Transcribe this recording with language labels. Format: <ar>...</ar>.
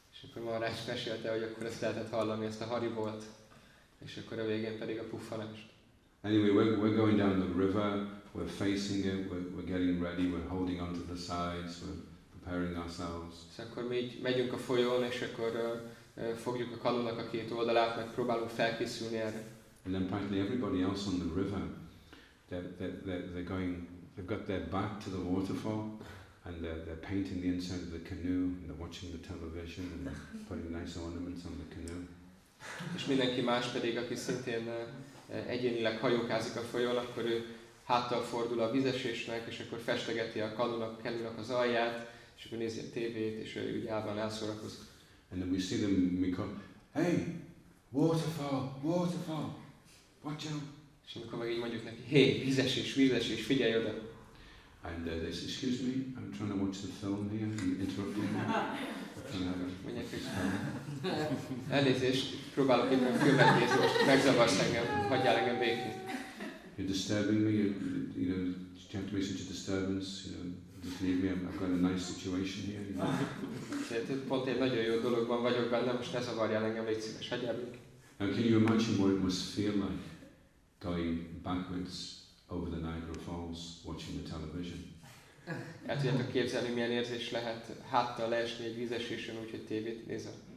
<hu>Akkor Maharaj mesélte, hogy akkor ezt lehetett hallani, ezt a haribolt, és akkor a végén pedig a puffanást.</hu> <en>Anyway, we're going down the river, we're facing it, we're getting ready, we're holding onto the sides, we're preparing ourselves.</en> <hu>És akkor mi megyünk a folyón, és akkor fogjuk a kanunak a két oldalát, meg próbálunk felkészülni erre.</hu> <en>And then practically everybody else on the river, they're going, they've got their back to the waterfall. And they're painting the inside of the canoe, and they're watching the television, and they're putting nice ornaments on the canoe.</en> <hu>És mindenki más pedig, aki szintén egyénileg hajókázik a folyón, akkor ő háttal fordul a vízesésnek, és akkor festegeti a kanunak az alját, és akkor nézi a tévét, és úgy állva elszórakozik.</hu> <en>And then we see them, we call, hey, waterfall, waterfall, watch out.</en> <hu>És amikor meg így mondjuk neki, hey, vízesés, figyelj oda.</hu> <en>And they say, excuse me, I'm trying to watch the film here, and interrupt me.</en> <hu>Elnézést, próbálok itt a filmet nézni, most megzavarsz engem, hagyjál engem békén.</hu> <en>You're disturbing me, you know, you have to be such a disturbance, you know, just leave me, I've got a nice situation here.</en> <hu>Pont egy nagyon jó dologban vagyok benne, most ne zavarjál engem, légy szíves, hagyjál békén.</hu> <en>Now can you imagine what it must feel like going backwards over the Niagara Falls, watching the television.</en> <hu>El tudjátok képzelni, milyen érzés lehet háttal leesni egy vízesésen, úgyhogy tévét nézel.</hu>